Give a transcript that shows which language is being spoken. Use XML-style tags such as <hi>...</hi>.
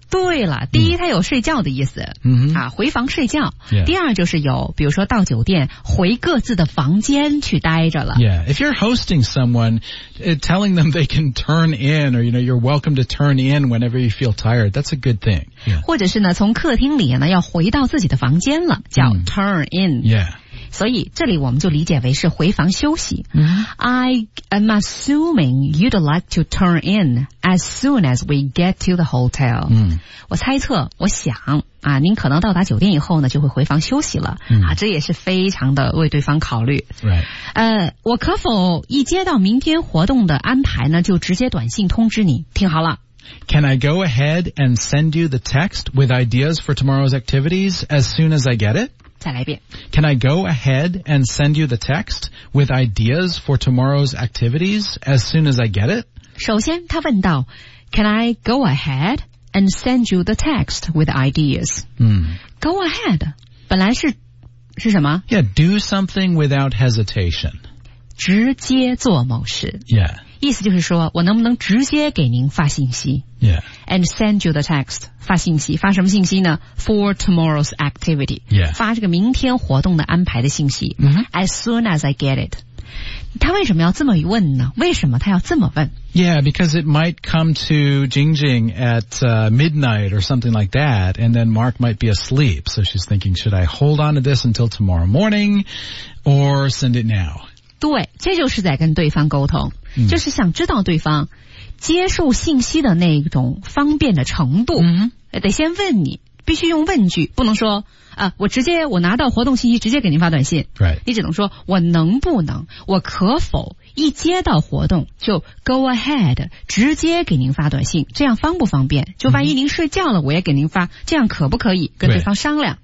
<zh>对了，第一它有睡觉的意思，啊，回房睡觉。</zh> <en>Yeah.</en> <zh>第二就是有，比如说到酒店回各自的房间去待着了。</zh> <en>Yeah, if you're hosting someone, telling them they can turn in, or you know, you're welcome to turn in whenever you feel tired, that's a good thing. Yeah.</en> <zh>或者是呢，从客厅里呢要回到自己的房间了，叫</zh> <en>turn in. Yeah.</en> <zh>所以这里我们就理解为是回房休息。</zh> <en>I am assuming you'd like to turn in as soon as we get to the hotel.</en> <zh>我猜测，我想啊，您可能到达酒店以后呢，就会回房休息了。啊，这也是非常的为对方考虑。</zh> <en>Right.</en> <zh>我可否一接到明天活动的安排呢，就直接短信通知你？听好了。</zh> <en>Can I go ahead and send you the text with ideas for tomorrow's activities as soon as I get it?</en> <zh>再来一遍。</zh> <en>Can I go ahead and send you the text with ideas for tomorrow's activities as soon as I get it?</en> <zh>首先他问到</zh> <en>Can I go ahead and send you the text with ideas?、Go ahead,</en> <zh>本来是什么？</zh> <en>Yeah, do something without hesitation.</en> <zh>直接做某事。</zh> <en>Yeah.</en> <zh>意思就是说我能不能直接给您发信息</zh> <en>Yeah. And send you the text</en> <zh>发信息发什么信息呢</zh> <en>For tomorrow's activity Yeah.</en> <zh>发这个明天活动的安排的信息、</zh> <en>As soon as I get it</en> <zh>他为什么要这么问呢为什么他要这么问</zh> <en>Yeah, because it might come to Jingjing at midnight or something like that And then Mark might be asleep So she's thinking, should I hold on to this until tomorrow morning Or send it now</en> <zh>对这就是在跟对方沟通就是想知道对方接受信息的那种方便的程度、得先问你必须用问句不能说啊，我拿到活动信息直接给您发短信、</zh> <en>right.</en> <zh>你只能说我能不能我可否一接到活动就</zh> <en>go ahead</en> <zh>直接给您发短信这样方不方便就万一您睡觉了、我也给您发这样可不可以跟对方商量</zh>